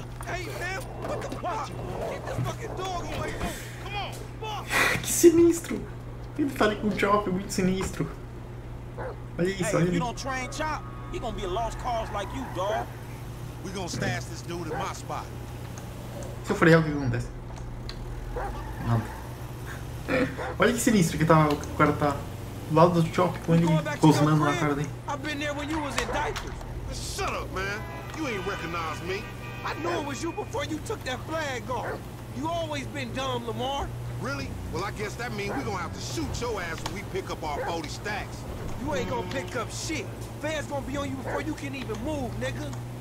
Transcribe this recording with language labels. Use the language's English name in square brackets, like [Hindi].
[English] Hey man, what the fuck? Get this fucking dog away. Come on. Fuck. [Portuguese] Que sinistro. Ele tá ali com o Chop, muito sinistro. Olha isso, olha ali. Se você não treinar Chop, ele vai ser um [English] lost cause [Portuguese] como você, dog. [English] We're gonna stash this dude in my spot. [Portuguese] Se eu for real, o que acontece? Nada. Olha que sinistro que tá, o cara tá do lado do Chop com ele cosmando na cara dele. [English] I've been there when you was in diapers. Shut up, man. You ain't recognize me. I knew it was you before you took that flag off. You always been dumb, Lamar. Really? Well, I guess that means we're gonna have to shoot your ass when we pick up our 40 stacks. You ain't gonna pick up shit. Fans gonna be on you before you can even move, nigga.